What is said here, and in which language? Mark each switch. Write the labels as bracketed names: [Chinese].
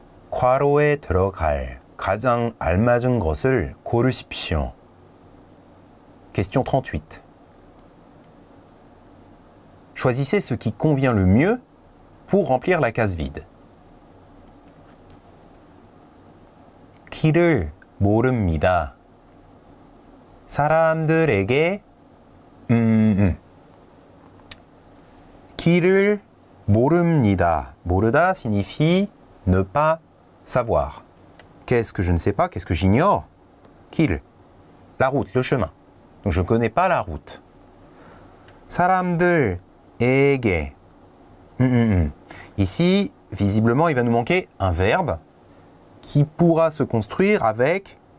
[Korean] 과로에 들어갈 가장 알맞은 것을 고르십시오. [French] Question 38. Choisissez ce qui convient le mieux pour remplir la case vide. [Korean] 길을 모릅니다. 사람들에게 길을 모릅니다. 모르다 [French] signifie ne pas savoir. Qu'est-ce que je ne sais pas? Qu'est-ce que j'ignore? Qu'il? La route, le chemin. Donc je ne connais pas la route. [Korean] 사람들에게. [French] Ici, visiblement, il va nous manquer un verbe qui pourra se construire avec